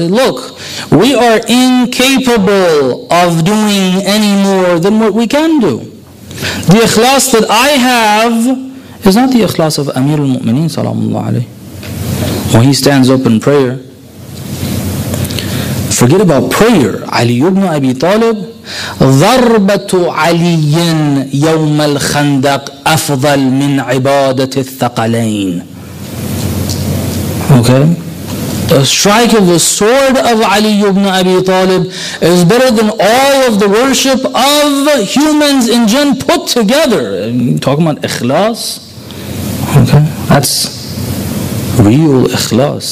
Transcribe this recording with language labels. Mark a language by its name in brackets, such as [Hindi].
[English] Look, we are incapable of doing any more than what we can do. The ikhlas that I have is not the ikhlas of Amir al-Mu'mineen salamullah alayhi. When he stands up in prayer, forget about prayer. [Arabic] Ali ibn Abi Talib, ضَرْبَةُ عَلِيٍّ يَوْمَ الْخَنْدَقْ أَفْضَلْ مِنْ عِبَادَةِ الثَّقَلَيْنِ. [English] Okay, the strike of the sword of Ali ibn Abi Talib is better than all of the worship of humans in jinn put together. Talking about ikhlas, okay, that's real ikhlas.